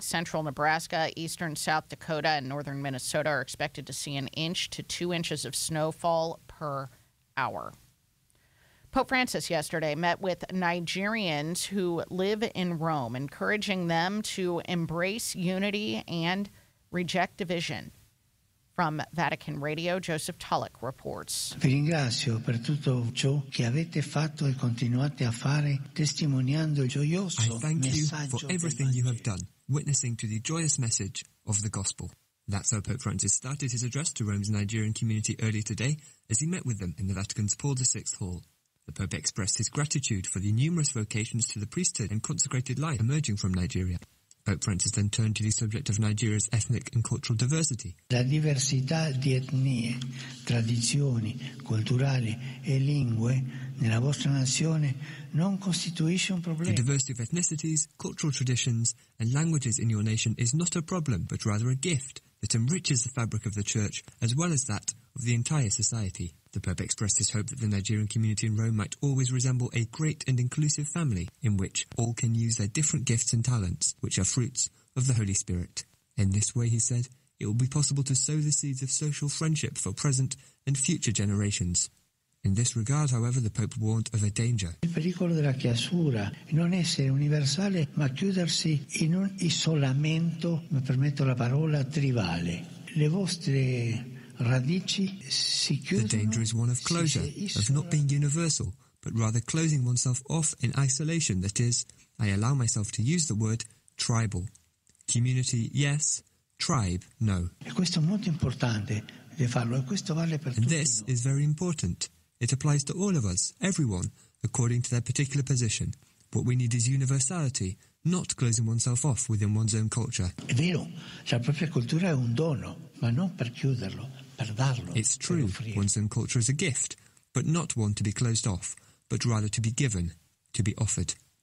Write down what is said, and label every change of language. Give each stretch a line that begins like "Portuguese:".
English: Central Nebraska, eastern South Dakota, and northern Minnesota are expected to see 1 to 2 inches of snowfall per hour. Pope Francis yesterday met with Nigerians who live in Rome, encouraging them to embrace unity and reject division. From Vatican Radio, Joseph Tulloch reports.
Italian: Vi ringrazio per tutto ciò che avete fatto e continuate a fare, testimoniando il gioioso messaggio.
English: I thank you for everything you have done, witnessing to the joyous message of the gospel. That's how Pope Francis started his address to Rome's Nigerian community early today, as he met with them in the Vatican's Paul VI Hall. The Pope expressed his gratitude for the numerous vocations to the priesthood and consecrated life emerging from Nigeria. Pope Francis then turned to the subject of Nigeria's ethnic and cultural diversity.
Italian: La diversità di etnie, tradizioni, culturali e lingue nella vostra nazione non costituisce un problema.
English: The diversity of ethnicities, cultural traditions and languages in your nation is not a problem, but rather a gift that enriches the fabric of the Church as well as that of the entire society. The Pope expressed his hope that the Nigerian community in Rome might always resemble a great and inclusive family in which all can use their different gifts and talents, which are fruits of the Holy Spirit. In this way, he said, it will be possible to sow the seeds of social friendship for present and future generations. In this regard, however, the Pope warned of a danger.
Italian: Il pericolo della chiusura, non essere universale, ma chiudersi in un isolamento, mi permetto la parola, tribale. Le vostre radici si chiudono.
English: The danger is one of closure, of not being universal, but rather closing oneself off in isolation, that is, I allow myself to use the word tribal. Community, yes, tribe, no.
Italian: E questo è molto importante di farlo, e questo vale per tutti.
English: And this is very important. It applies to all of us, everyone, according to their particular position. What we need is universality, not closing oneself off within one's own culture.
Italian: È vero, la propria cultura è un dono, ma non per chiuderlo, per darlo.
English: It's true, one's own culture is a gift, but not one to be closed off, but rather to be given, to be offered.